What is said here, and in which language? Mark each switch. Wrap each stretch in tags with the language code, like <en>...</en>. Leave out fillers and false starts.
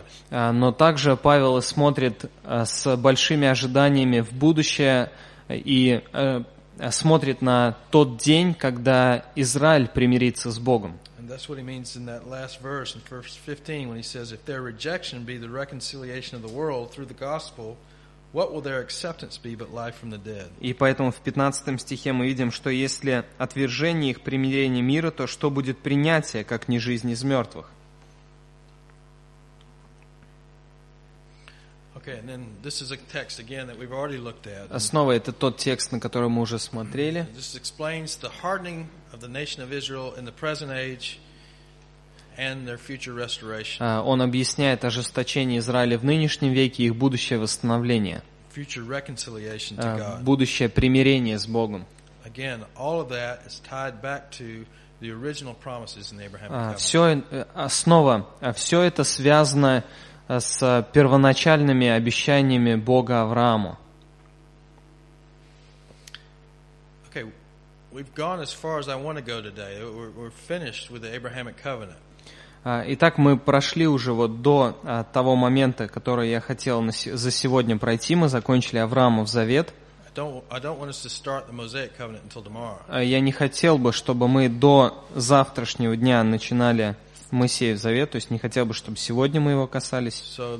<ru>Но также Павел смотрит с большими ожиданиями в будущее и смотрит на тот день, когда Израиль примирится с Богом.</ru> <en>And that's what he means in that last verse in verse 15 when he says, if their rejection be the reconciliation of the world through the gospel, what will their acceptance be but life from the dead?</en> <ru>И поэтому в 15 стихе мы видим, что если отвержение их примирение мира, то что будет принятие, как не жизнь из мертвых?</ru> <en>Okay, and then this is a text again that we've already looked at.</en> <ru>Снова это тот текст, на который мы уже смотрели.</ru> <en>This explains the hardening of the nation of Israel in the present age and their future restoration.</en> <ru>Он объясняет ожесточение Израиля в нынешнем веке и их будущее восстановление.</ru> <en>Future reconciliation to God.</en> <ru>Будущее примирение с Богом.</ru> <en>Again, all of that is tied back to the original promises in the Abrahamic covenant.</en> <ru>Все это связано с первоначальными обещаниями Бога Аврааму.</ru> <en>Okay, we've gone as far as I want to go today. We're finished with the Abrahamic covenant.</en> <ru>Итак, мы прошли уже вот до того момента, который я хотел за сегодня пройти. Мы закончили Авраамов завет.</ru> <en>I don't want us to start the Mosaic covenant until tomorrow.</en> <ru>Я не хотел бы, чтобы мы до завтрашнего дня начинали Моисеев завет, то есть не хотел бы, чтобы сегодня мы его касались.</ru>